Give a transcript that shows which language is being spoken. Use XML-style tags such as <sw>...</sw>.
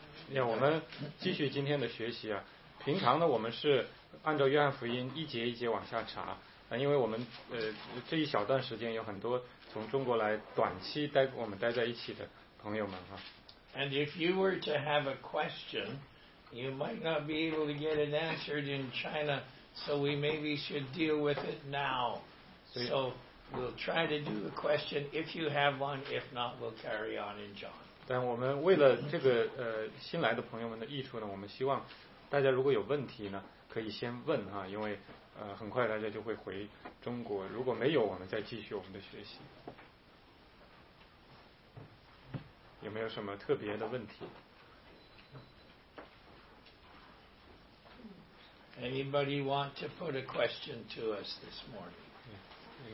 <zh>那我们继续今天的学习啊。平常呢，我们是按照约翰福音一节一节往下查，因为我们这一小段时间有很多从中国来短期我们待在一起的朋友们啊。</zh> <en>And if you were to have a question, you might not be able to get it answered in China, so we maybe should deal with it now. So we'll try to do the question if you have one. If not, we'll carry on in John.</en> <zh>但我们为了这个新来的朋友们的益处呢，我们希望大家如果有问题呢，可以先问哈，因为很快大家就会回中国。如果没有，我们再继续我们的学习。有没有什么特别的问题</zh> <en>？Anybody want to put a question to us this morning？</en>